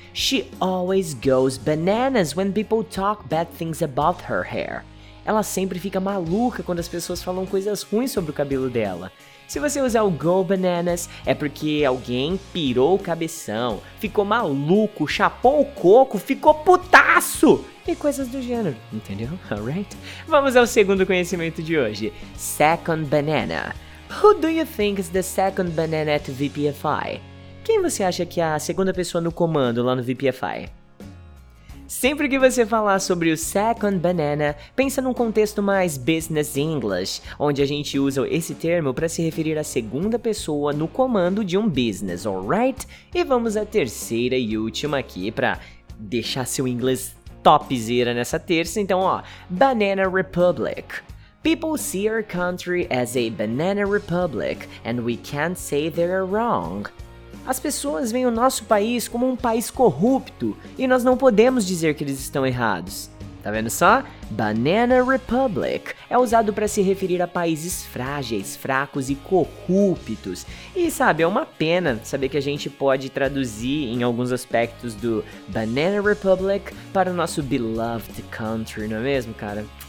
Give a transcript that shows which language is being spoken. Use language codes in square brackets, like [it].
[en] She always goes bananas when people talk bad things about her hair. [pt] Ela sempre fica maluca quando as pessoas falam coisas ruins sobre o cabelo dela. Se você usar o go bananas, é porque alguém pirou o cabeção, ficou maluco, chapou o coco, ficou putaço! E coisas do gênero, entendeu? Alright? Vamos ao segundo conhecimento de hoje. Second banana. [en] Who do you think is the second banana at VPFI? [pt] Quem você acha que é a segunda pessoa no comando lá no VPFI? Sempre que você falar sobre o second banana, pensa num contexto mais business English, onde a gente usa esse termo para se referir à segunda pessoa no comando de um business, alright? E vamos à terceira e última aqui para deixar seu inglês topzera nessa terça, então ó, Banana Republic. [en] People see our country as a banana republic and we can't say they're wrong. [pt] As pessoas veem o nosso país como um país corrupto e nós não podemos dizer que eles estão errados. Tá vendo só? Banana Republic é usado para se referir a países frágeis, fracos e corruptos. E sabe, é uma pena saber que a gente pode traduzir em alguns aspectos do Banana Republic para o nosso [en] beloved country, [pt] não é mesmo, cara?